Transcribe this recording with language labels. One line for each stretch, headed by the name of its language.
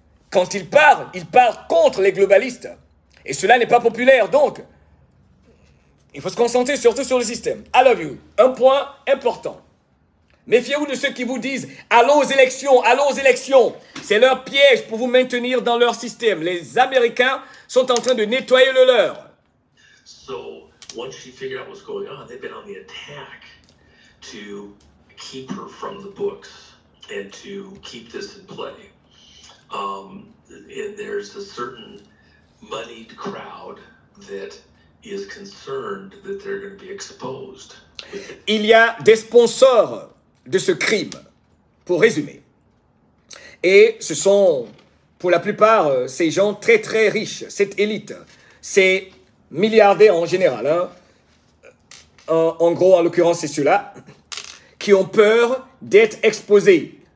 French: Quand il parle contre les globalistes. Et cela n'est pas populaire, donc. Il faut se concentrer surtout sur le système.
English: I love you.
French: Un point important. Méfiez-vous de ceux qui vous disent « Allons aux élections, allons aux élections !» C'est leur piège pour vous maintenir dans leur système. Les Américains sont en train de nettoyer le leur.
English: So once she figured out what's going on, they've been on the attack to keep her from the books and to keep this in play. And there's a certain moneyed crowd that is concerned that they're going to be exposed.
French: Il y a des sponsors de ce crime, pour résumer. Et ce sont, pour la plupart, ces gens très très riches, cette élite, c'est milliardaires en général, hein. En gros, en l'occurrence, c'est ceux-là, qui ont peur d'être exposés.